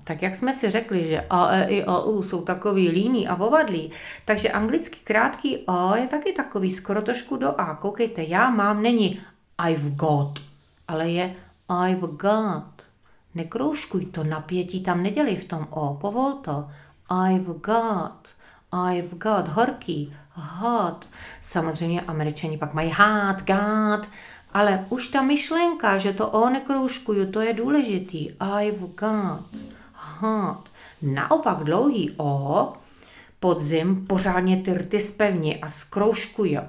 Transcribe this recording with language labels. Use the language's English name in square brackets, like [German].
[Czech] Tak jak jsme si řekli, že A, E, I, O, U jsou takový líní a vovadlí, takže anglicky krátký O je taky takový, skoro trošku do A. Koukejte, já mám, není [English] I've got, [Czech] ale je I've got. Nekroužkuj to napětí, tam nedělej v tom O, povol to. [English] I've got, I've got, [Czech] horký, [English] hot. [Czech] Samozřejmě Američani pak mají [English] hot, got, [Czech] ale už ta myšlenka, že to O nekroužkuju, to je důležitý. [English] I've got hot. [Czech] Naopak dlouhý O, podzim, pořádně ty rty zpevní a zkroužkuje.